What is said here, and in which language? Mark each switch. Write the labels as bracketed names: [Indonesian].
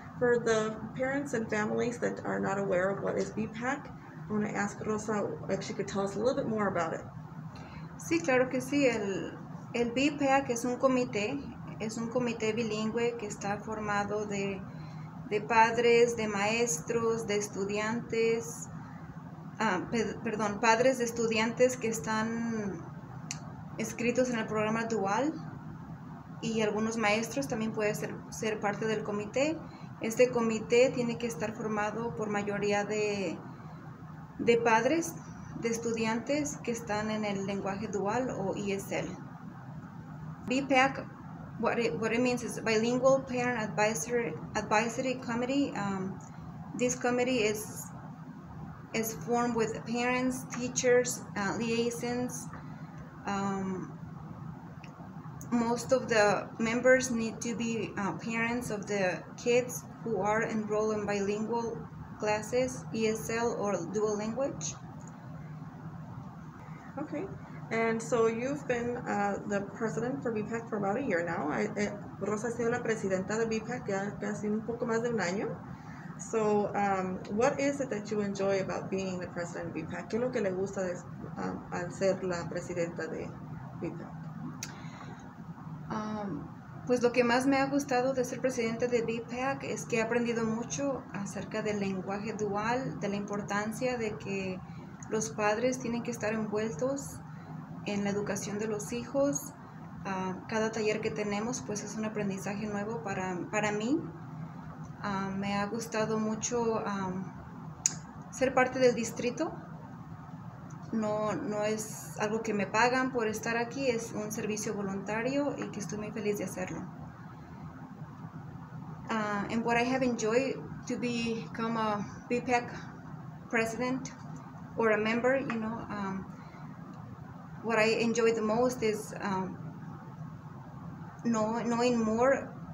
[English] For the parents and families that are not aware of what is BPAC, I want to ask Rosa if she could tell us a little bit more about it. [Spanish] Sí, claro que sí. El BPAC es un comité bilingüe que está formado de padres, de maestros, de estudiantes, padres de estudiantes que están escritos en el programa dual, y algunos maestros también pueden ser parte del comité. Este comité tiene que estar formado por mayoría de padres, de estudiantes que están en el lenguaje dual o ESL. [English] BPAC, what it means is Bilingual Parent Advisory Committee. This committee is formed with parents, teachers, liaisons. Most of the members need to be parents of the kids who are enrolled in bilingual classes, ESL or dual language. Okay, and so you've been the president for BPAC for about a year now. [Spanish] Rosa ha sido la presidenta de BPAC ya casi un poco más de un año. [English] So what is it that you enjoy about being the president of BPAC? [Spanish] ¿Qué es lo que le gusta al ser la presidenta de BPAC? Pues lo que más me ha gustado de ser presidente de BPAC es que he aprendido mucho acerca del lenguaje dual, de la importancia de que los padres tienen que estar envueltos en la educación de los hijos. Cada taller que tenemos pues es un aprendizaje nuevo para mí. Me ha gustado mucho ser parte del distrito. No es algo que me pagan por estar aquí, es un servicio voluntario y que estoy muy feliz de hacerlo. [English] And what I have enjoyed to become a BPAC president or a member, you know, what I enjoy the most is knowing more.